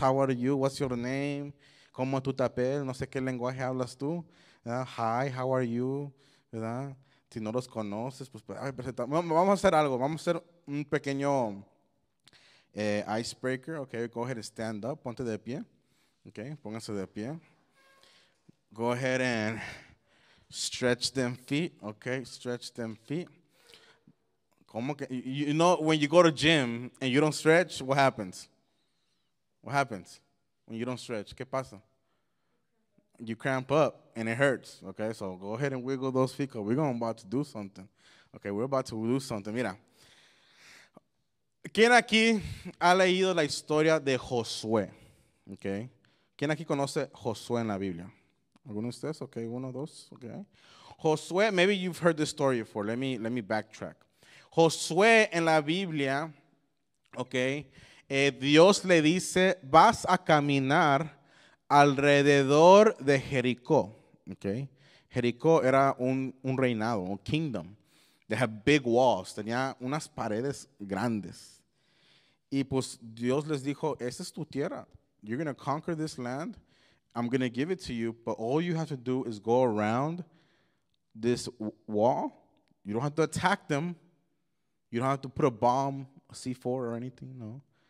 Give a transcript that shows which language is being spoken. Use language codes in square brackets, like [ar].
[en] How are you? What's your name? [es] ¿Cómo es tu papel? No sé qué lenguaje hablas tú. [en] Hi, how are you? [es] ¿Verdad? Si no los conoces, pues ay, presenta. Vamos a hacer algo, vamos a hacer un pequeño icebreaker, [en] ok, go ahead, stand up, [es] ponte de pie, ok, pónganse de pie. [en] Go ahead and stretch them feet, ok, stretch them feet. [es] ¿Cómo que? [en] You know, when you go to gym and you don't stretch, what happens? What happens when you don't stretch? [es] ¿Qué pasa? [en] You cramp up and it hurts. Okay, so go ahead and wiggle those feet because we're about to do something. Okay, we're about to do something. [es] Mira. ¿Quién aquí ha leído la historia de Josué? Okay. ¿Quién aquí conoce Josué en la Biblia? ¿Alguno de ustedes? Okay, uno, dos. Okay. Josué, [en] maybe you've heard the story before. Let me backtrack. [es] Josué en la Biblia, okay, Dios le dice, vas a caminar alrededor de Jericó, okay. Jericó era un reinado, un kingdom. [en] They had big walls, [es] tenía unas paredes grandes. Y pues Dios les dijo, esa es tu tierra. [en] You're going to conquer this land. I'm going to give it to you, but all you have to do is go around this wall. You don't have to attack them. You don't have to put a bomb, a C4 or anything, no.